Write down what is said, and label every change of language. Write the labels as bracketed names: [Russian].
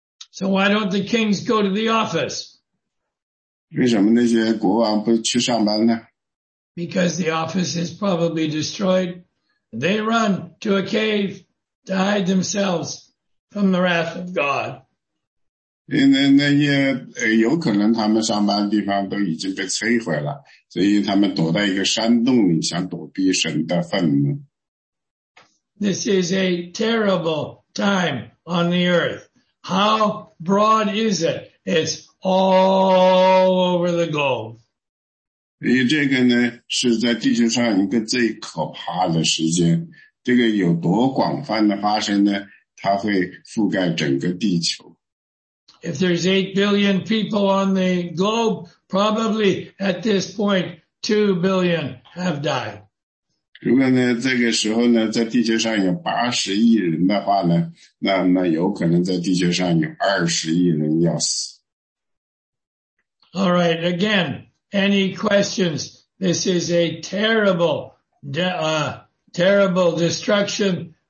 [English] So why don't the kings go to the office? [Chinese] 为什么那些国王不去上班呢？ [English] Because the office is probably destroyed. They run to a cave to hide themselves from the wrath of God. [Chinese] 因为那些有可能他们上班的地方都已经被摧毁了，所以他们躲在一个山洞里想躲避神的愤怒。 [English] This is a terrible time on the earth. How broad is it? It's all over the globe. [Chinese] 因为这个呢是在地球上一个最可怕的时间，这个有多广泛的发生呢，它会覆盖整个地球。 [English] If there's 8 billion people on the globe, probably at this point, 2 billion have died. [Chinese] 如果呢，这个时候呢，在地球上有80亿人的话呢，那有可能在地球上有20亿人要死。 [English] All right, again, any questions? This is a terrible destruction.